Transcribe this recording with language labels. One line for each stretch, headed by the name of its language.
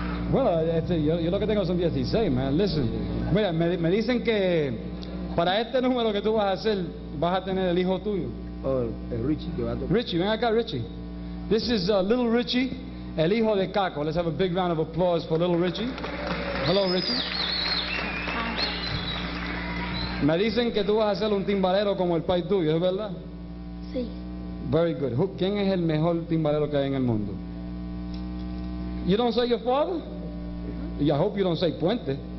Spanish: Bueno, yo lo que tengo son 16,
English: man. Listen.
Spanish: Mira, me dicen que para este número que tú vas a hacer, vas a tener el hijo tuyo. Richie, que va a tocar. Richie, ven acá, Richie.
English: This is little Richie,
Spanish: el hijo de Caco.
English: Let's have a big round of applause for little Richie. Hello, Richie.
Spanish: Me dicen que tú vas a ser un timbalero como el pai tuyo, ¿es verdad? Sí.
English: Very good.
Spanish: ¿Quién es el mejor timbalero que hay en el mundo?
English: You don't say your father? I hope you don't say Puente.